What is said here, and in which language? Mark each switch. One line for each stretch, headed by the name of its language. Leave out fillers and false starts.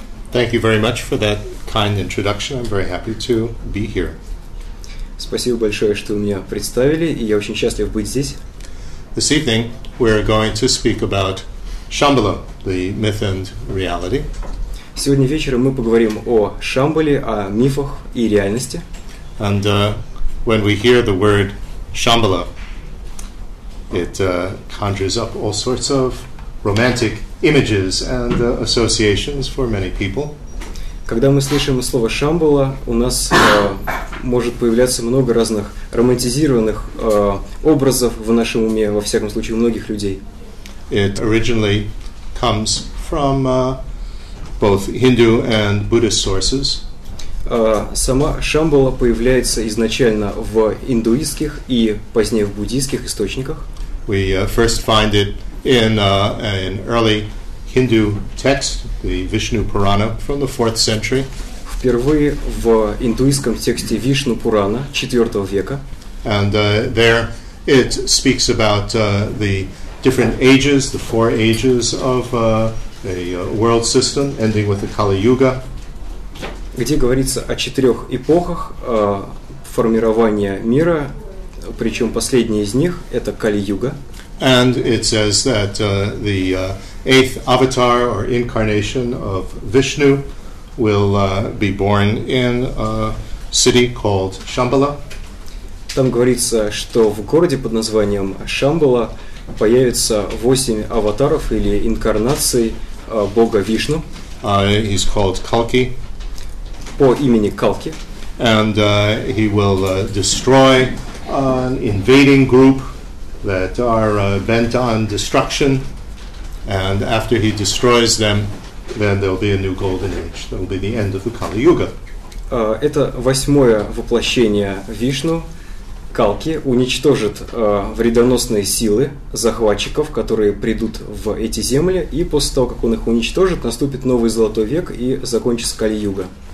English: Thank you very much for that kind introduction. I'm very happy to be here.
Russian: Спасибо большое, что меня представили, и я очень счастлив быть здесь.
English: This evening we're going to speak about Шамбала, the myth and reality.
Russian: Сегодня вечером мы поговорим о Шамбале, о мифах и реальности.
English: And when we hear the word Шамбала, it conjures up all sorts of romantic images and associations for many people.
Russian: Когда мы слышим слово Шамбала, у нас может появляться много разных романтизированных образов в нашем уме, во всяком случае, у многих людей.
English: It originally comes from both Hindu and Buddhist sources.
Russian: Сама Шамбала появляется изначально в индуистских и позднее в буддийских источниках.
English: We first find it in an early Hindu text, the Vishnu Purana from the 4th century.
Russian: Впервые в индуистском тексте Вишну Пурана 4 века.
English: And there it speaks about the different ages, the four ages of a world system ending with the Kali Yuga.
Russian: Где говорится о четырех эпохах формирования мира, причем последняя из них это Кали-Юга.
English: And it says that the eighth avatar or incarnation of Vishnu will be born in a city called Шамбала.
Russian: Там говорится, что в городе под названием Шамбала появится восемь аватаров или инкарнаций бога Вишну.
English: He's called Kalki.
Russian: По имени Калки.
English: And he will destroy an invading group that are bent on destruction. And after he destroys them, then there'll be a new golden age. There will be the end of the Kali Yuga.
Russian: Это восьмое воплощение Вишну. Калки уничтожит вредоносные силы захватчиков, которые придут в эти земли, и после того, как он их уничтожит, наступит новый золотой век и закончится Кали-Юга.